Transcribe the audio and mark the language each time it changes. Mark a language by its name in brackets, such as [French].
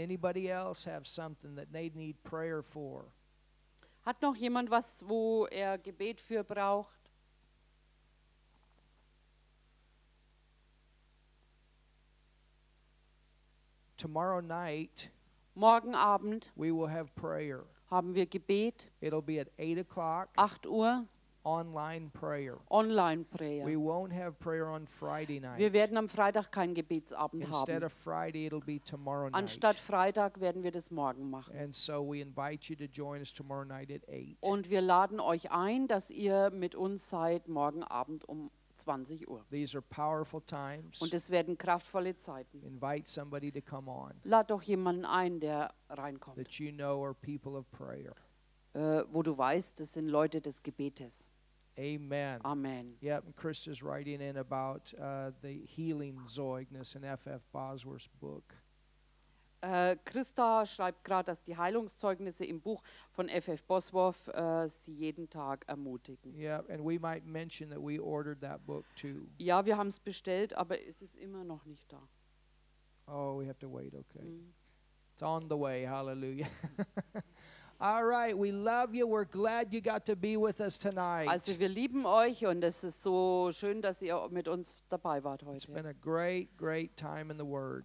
[English] Anybody else have something that they need prayer for? [German] Hat noch jemand was, wo er Gebet für braucht? [English] Tomorrow night, [German] morgen Abend, [English] we will have prayer. [German] Haben wir Gebet. [English] It'll be at 8 o'clock. [German] 8 Uhr. [English] Online prayer. Online prayer. We won't have prayer on Friday night. [German] Wir werden am Freitag keinen Gebetsabend [English] Instead [German] haben. [English] Instead of Friday, it'll be tomorrow night. [German] Anstatt Freitag werden wir das morgen machen. [English] And so we invite you to join us tomorrow night at 8. [German] Und wir laden euch ein, dass ihr mit uns seid morgen Abend um 20 Uhr. [English] These are powerful times. [German] Und es werden kraftvolle Zeiten. [English] Invite somebody to come on. [German] Lad doch jemanden ein, der reinkommt. [English] That you know are people of prayer. [German] Wo du weißt, das sind Leute des Gebetes. [English] Amen. [German] Amen. [English] Yep, Chris is writing in about the healing Zeugnis in F.F. Bosworth's book. [German] Christa schreibt gerade, dass die Heilungszeugnisse im Buch von F.F. Bosworth sie jeden Tag ermutigen. [English] Yep, and we might mention that we ordered that book too. [German] Ja, wir haben es bestellt, aber es ist immer noch nicht da. [English] Oh, we have to wait, okay. Mm. It's on the way, hallelujah. All right, we love you. We're glad you got to be with us tonight. [German] Also, wir lieben euch und es ist so schön, dass ihr mit uns dabei wart heute. [English] It's been a great, great time in the Word.